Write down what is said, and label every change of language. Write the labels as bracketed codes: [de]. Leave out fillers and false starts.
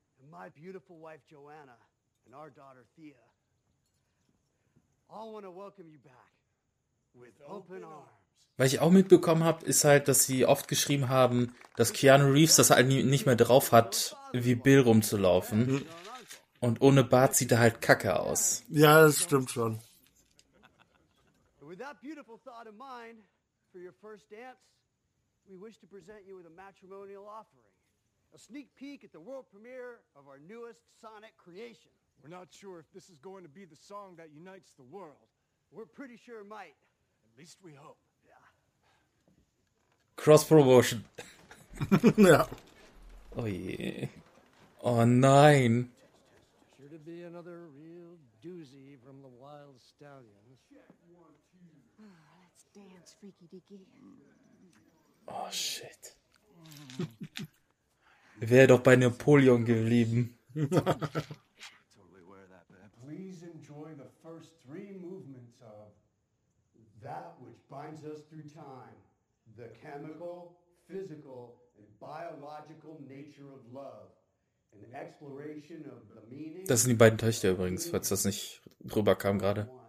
[en] My beautiful wife Joanna and our daughter Thea all want to welcome you back with open arms. [de] Was ich auch mitbekommen habe, ist halt, dass sie oft geschrieben haben, dass Keanu Reeves das halt nicht mehr drauf hat, wie Bill rumzulaufen. Und ohne Bart sieht er halt kacke aus. Ja, das stimmt schon. [en] With that beautiful thought in mind, for your first dance, we wish to present you with a matrimonial offering. A sneak peek at the world premiere of our newest Sonic creation. We're not sure if this is going to be the song that unites the world. We're pretty sure it might. At least we hope. Yeah. Cross promotion. [de] Ja. Oh je. Oh nein. [en] Sure to be another real doozy from the Wild Stallions. Let's dance, Freaky Deaky. Oh shit. [de] Wäre doch bei Napoleon geblieben. [en] Please enjoy the first three movements of that which binds us through time. The chemical, physical, and biological nature of love. An exploration of the meaning. [de] Das sind die beiden Töchter übrigens, falls das nicht rüberkam gerade.